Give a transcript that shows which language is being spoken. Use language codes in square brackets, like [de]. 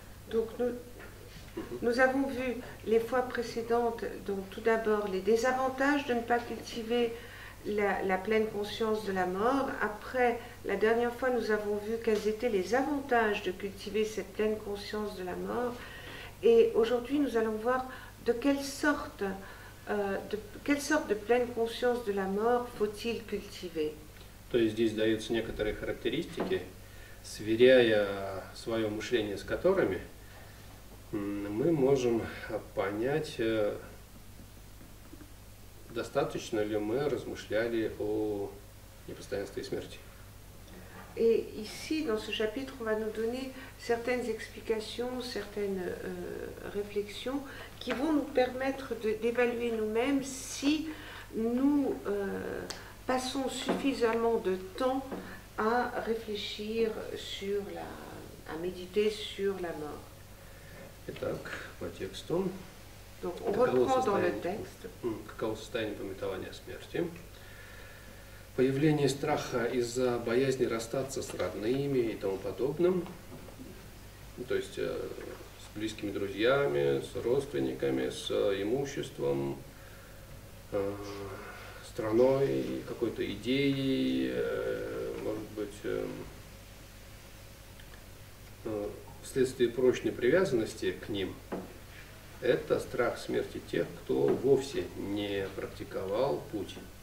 [fr] Donc nous avons vu les fois précédentes, donc tout d'abord les désavantages de ne pas cultiver la pleine conscience de la mort. Après, la dernière fois, nous avons vu quels étaient les avantages de cultiver cette pleine conscience de la mort. Et aujourd'hui, nous allons voir de quelle sorte de pleine conscience de la mort faut-il cultiver. [ru] То есть здесь даются некоторые характеристики, сверяя свое мышление с которыми, мы можем понять, достаточно ли мы размышляли о непостоянстве смерти. И [fr] ici, dans ce chapitre, on va nous donner certaines explications, certaines réflexions qui vont nous permettre d'évaluer nous-mêmes si nous passons suffisamment de temps à réfléchir sur la, à méditer sur la mort. [ru] Итак, по тексту. [fr] Donc, on reprend dans le texte. [ru] Каково состояние памятования смерти? Появление страха из-за боязни расстаться с родными и тому подобным, то есть с близкими друзьями, с родственниками, с имуществом, страной, какой-то идеей, может быть, вследствие прочной привязанности к ним, это страх смерти тех, кто вовсе не практиковал путь.